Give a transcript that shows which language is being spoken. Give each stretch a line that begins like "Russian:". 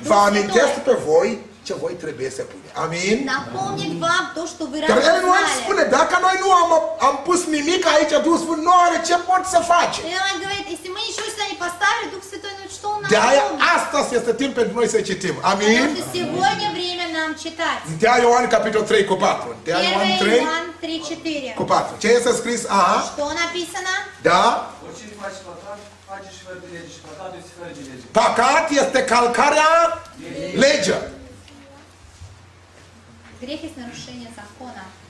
Romanian: Vă amintesc pe voi ce voi trebuie să pune. Amin.
Russian: Напомнит вам то, что вы раньше знали.
Romanian: Dar El spune, dacă noi nu am pus nimic aici, Duhul Sfânt nu are ce pot să face. El mai
Russian: говорит, если мы ничего сюда не поставили, Дух Святой, ну что он нам?
Romanian: De-aia astăzi este timp pentru noi să citim. Amin. Pentru că
Russian: сегодня время нам читать.
Romanian: De-aia Ioan capitol 3 cu 4. De-aia Ioan 3 3-4. Cu 4. Ce este scris? Aha.
Russian: Что написано?
Romanian: Da. Orice faci păcat, faci și fără de lege. Și păcatul este fără de lege. Păcat este calcarea legii.
Russian: Грех есть нарушение закона.